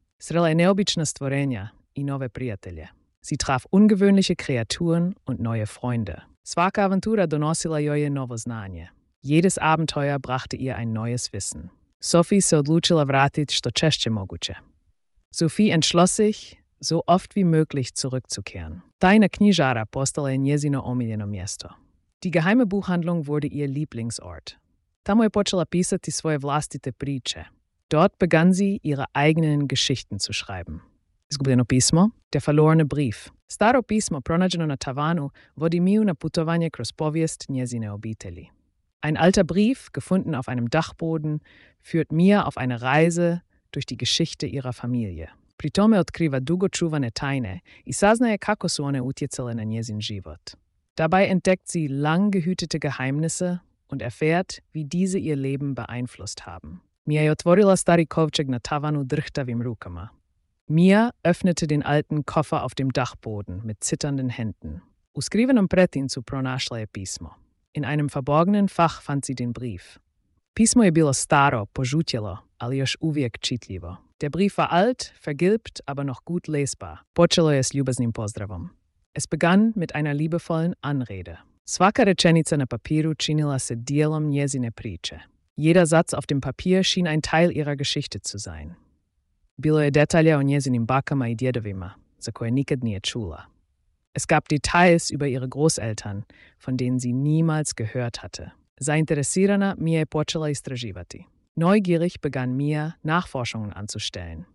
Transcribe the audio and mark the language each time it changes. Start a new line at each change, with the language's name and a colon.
Croatian: Srela je neobična stvorenja i nove prijatelje.
German: Sie traf ungewöhnliche Kreaturen und neue Freunde.
Croatian: Svaka avantura donosila joj je novo znanje.
German: Jedes Abenteuer brachte ihr ein neues Wissen.
Croatian: Sophie se odlučila vratit što češće moguće.
German: Sophie entschloss sich, so oft wie möglich zurückzukehren.
Croatian: Tajna knjižara postala je njezino omiljeno mjesto.
German: Die geheime Buchhandlung wurde ihr Lieblingsort.
Croatian: Tamo je počela pisati svoje vlastite priče.
German: Dort begann sie, ihre eigenen Geschichten zu schreiben.
Croatian: Izgubljeno pismo,
German: der verlorene Brief.
Croatian: Staro pismo, pronađeno na tavanu, vodi Miju na putovanje kroz povijest njezine obitelji.
German: Ein alter Brief, gefunden auf einem Dachboden, führt Mija auf eine Reise durch die Geschichte ihrer Familie.
Croatian: Pri tome otkriva dugo čuvane tajne i saznaje kako su one utjecale na njezin život.
German: Dabei entdeckt sie lang gehütete Geheimnisse und erfährt, wie diese ihr Leben beeinflusst haben.
Croatian: Mija je otvorila stari kovčeg na tavanu drhtavim rukama.
German: Mija öffnete den alten Koffer auf dem Dachboden mit zitternden Händen.
Croatian: U skrivenom pretincu pronašla je pismo.
German: In einem verborgenen Fach fand sie den Brief.
Croatian: Pismo je bilo staro, požutjelo, ali još uvijek čitljivo.
German: Der Brief war alt, vergilbt, aber noch gut lesbar.
Croatian: Počelo je s ljubaznim pozdravom.
German: Es begann mit einer liebevollen Anrede.
Croatian: Svaka rečenica na papiru činila se dijelom njezine priče.
German: Jeder Satz auf dem Papier schien ein Teil ihrer Geschichte zu sein.
Croatian: Bilo je detalja o njezinim bakama i djedovima, za koje nikad nije čula.
German: Es gab Details über ihre Großeltern, von denen sie niemals gehört hatte.
Croatian: Zainteresirana Mia je počela istraživati.
German: Neugierig begann Mia, Nachforschungen anzustellen.